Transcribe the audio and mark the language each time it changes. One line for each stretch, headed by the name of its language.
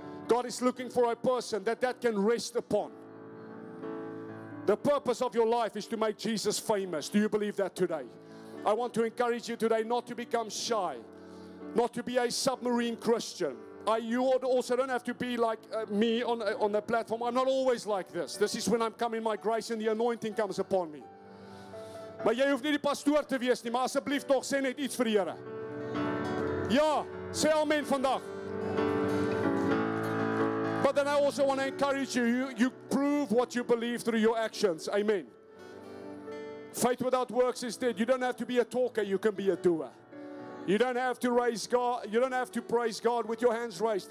English: God is looking for a person that can rest upon. The purpose of your life is to make Jesus famous. Do you believe that today? I want to encourage you today not to become shy, not to be a submarine Christian. You also don't have to be like me on the platform. I'm not always like this. This is when I'm coming, my grace and the anointing comes upon me.
Afrikaans: Maar jy hoef nie die pastoor te wees nie, maar asseblief tog sê net iets vir die Here. Ja, sê amen vandag.
English: But then I also want to encourage you. You prove what you believe through your actions. Amen. Faith without works is dead. You don't have to be a talker, you can be a doer. You don't have to raise God, you don't have to praise God with your hands raised.